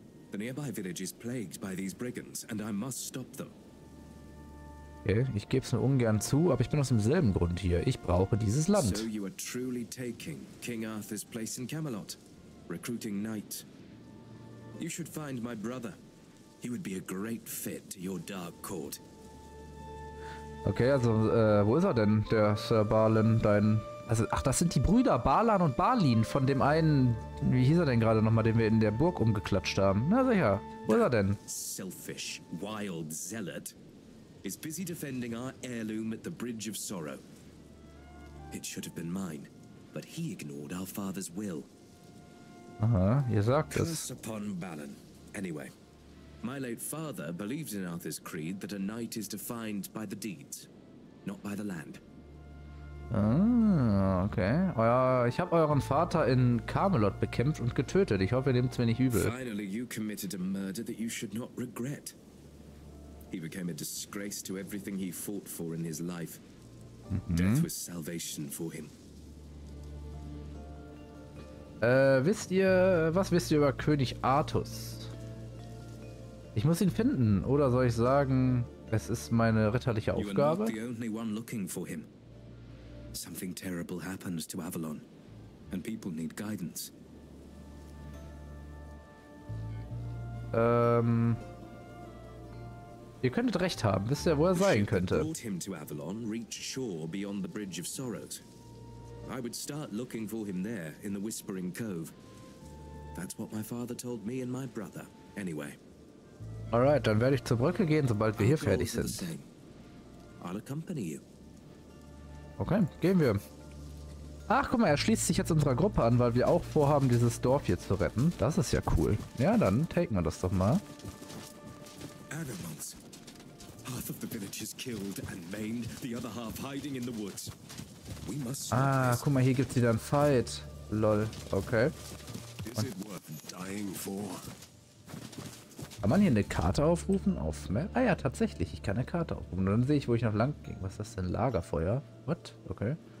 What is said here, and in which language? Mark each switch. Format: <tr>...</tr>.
<en>The nearby village is plagued by these brigands, and I must stop them.</en> <de>Okay, ich gebe es nur ungern zu, aber ich bin aus demselben Grund hier. Ich brauche dieses Land.</de> <en>So you are truly taking King Arthur's place in Camelot, recruiting knight. You should find my brother. He would be a great fit to your dark court.</en> <de>Okay, also wo ist er denn, der Sir Balin, dein? Also, ach, das sind die Brüder Balan und Balin von dem einen, wie hieß er denn gerade nochmal, den wir in der Burg umgeklatscht haben. Na sicher, wo ist er denn?</de> <en>Selfish, wild zealot is busy defending our heirloom at the Bridge of Sorrow. It should have been mine, but he ignored our father's will.</en> <de>Aha, ihr sagt es.</de> <en>Curse upon Balan. Anyway, my late father believed in Arthur's creed that a knight is defined by the deeds, not by the land. Ah, okay.</en> <de>Ich habe euren Vater in Camelot bekämpft und getötet. Ich hoffe, ihr nehmt es mir nicht übel.</de> <en>Finally, you committed a murder that you should not regret. He became a disgrace to everything he fought for in his life. Death was salvation for him.</en> <de>Was wisst ihr über König Artus? Ich muss ihn finden, oder soll ich sagen, Es ist meine ritterliche Aufgabe.</de> <en>You are not the only one looking for him. Something terrible happens to Avalon and people need guidance.</en> <de>Ihr könntet recht haben. Wisst ihr, wo er sein könnte?</de> <en>Avalon reached shore beyond the bridge of Sorrows. I would start looking for him there in the Whispering Cove. That's what my father told me and my brother. Anyway.</en> <de>Alright, dann werde ich zur Brücke gehen, sobald wir hier fertig sind.</de> <en>I'll accompany you.</en> <de>Okay, gehen wir. Ach, guck mal, er schließt sich jetzt unserer Gruppe an, weil wir auch vorhaben, dieses Dorf hier zu retten. Das ist ja cool. Ja, dann taken wir das doch mal. Animals.</de> <en>Half of the village is killed and maimed, the other half hiding in the woods. We must stop.</en> <de>Ah, guck mal, hier gibt's wieder einen Fight.</de> <en>Lol. Okay. Is it worth dying for?</en> <de>Kann man hier eine Karte aufrufen? Auf Map? Ah ja, tatsächlich. Ich kann eine Karte aufrufen. Und dann sehe ich, wo ich noch lang ging. Was ist das denn? Lagerfeuer? What? Okay.</de>